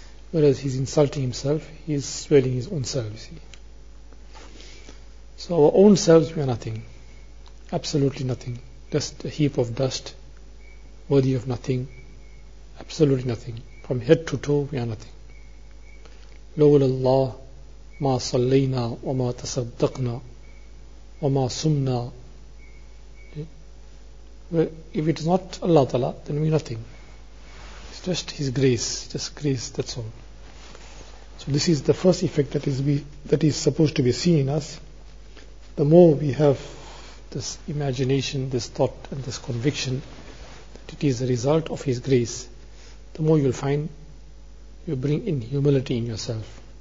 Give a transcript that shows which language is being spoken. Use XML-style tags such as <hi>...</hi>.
<en>Whereas he's insulting himself, he's swelling his own self, you see. So our own selves, we are nothing. Absolutely nothing. Just a heap of dust, worthy of nothing. Absolutely nothing. From head to toe, we are nothing.</en> <ar>لولا الله ما صلينا وما تصدقنا وما صمنا.</ar> <en>If it is not Allah Ta'ala, then we are nothing. It's just His grace. Just grace, that's all. So this is the first effect that is supposed to be seen in us. The more we have this imagination, this thought and this conviction that it is a result of His grace, the more you'll find you bring in humility in yourself.</en>